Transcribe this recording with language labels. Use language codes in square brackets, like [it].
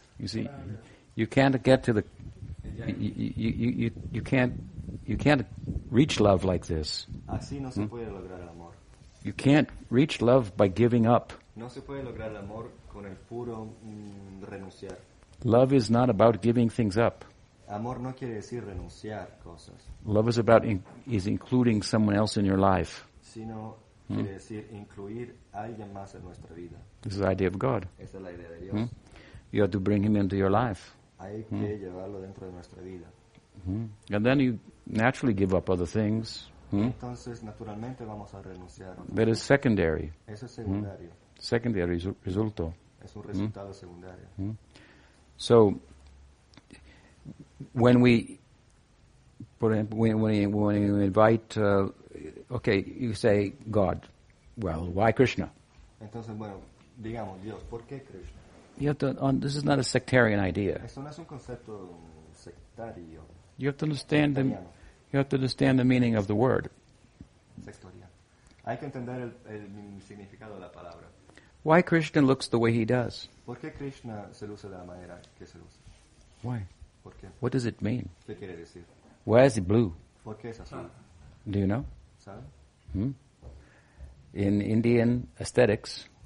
[en] You see, you can't get to the... You can't reach love like this. [es] Así no se puede lograr el amor. [en] You can't reach love by giving up. [es] No se puede lograr el amor con el puro renunciar. [en] Love is not about giving things up. [es] Amor no quiere decir renunciar cosas. [en] Love is about is including someone else in your life. [es] Sino quiere decir incluir alguien más en nuestra vida. [en] This is the idea of God. [es] Esa es la idea de Dios. Hmm? [en] You have to bring him into your life. [es] Hay que llevarlo dentro de nuestra vida. Hmm? [en] And then you naturally give up other things. [es] Hmm? Entonces, naturalmente vamos a renunciar. [en] That is secondary. [es] Eso es secundario. Hmm? [en] Secondary resulto. [es] Es un resultado secundario. Mm. [en] So, when we, for example, when you invite, okay, you say God, well, why Krishna? [es] Entonces, bueno, digamos Dios, ¿por qué Krishna? [en] You have to, this is not a sectarian idea. [es] Esto no es un concepto sectario. [en] You have to understand sectariano. The, you have to understand the meaning of the word. [es] Sectoria. Hay que entender el significado de la palabra. [en] Why Krishna looks the way he does? [es] ¿Por qué Krishna se luce de la manera que se luce? [en] Why? [es] ¿Por qué? [en] What does it mean? [es] ¿Qué quiere decir? [en] Why is he blue? [es] ¿Por qué es azul? [en] Do you know? [es] ¿Sabe? [en] Hmm? In Indian aesthetics,